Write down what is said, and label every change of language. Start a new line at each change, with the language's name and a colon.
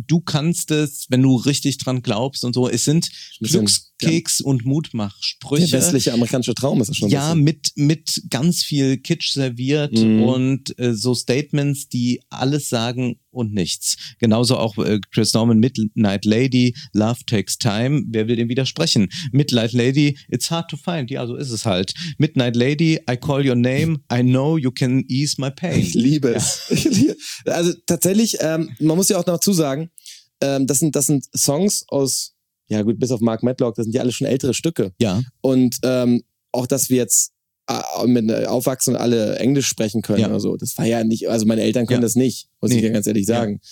German: Du kannst es, wenn du richtig dran glaubst und so. Es sind Glückskeks und Mutmachsprüche. Der westliche amerikanische Traum ist es schon. Ja, mit ganz viel Kitsch serviert und so Statements, die alles sagen und nichts. Genauso auch Chris Norman, Midnight Lady, Love Takes Time. Wer will dem widersprechen?
English: Midnight Lady, it's hard to find.
German: Ja, so ist es halt.
English: Midnight Lady, I call your name. I know you can ease my pain.
German: Ich liebe es. Ja. Also tatsächlich, man muss ja auch noch zusagen, das sind Songs aus, ja gut, bis auf Mark Medlock, das sind ja alle schon ältere Stücke. Ja. Und auch, dass wir jetzt mit Aufwachsen und alle Englisch sprechen können oder so. Das war ja nicht, also meine Eltern können das nicht, muss ich ja ganz ehrlich sagen.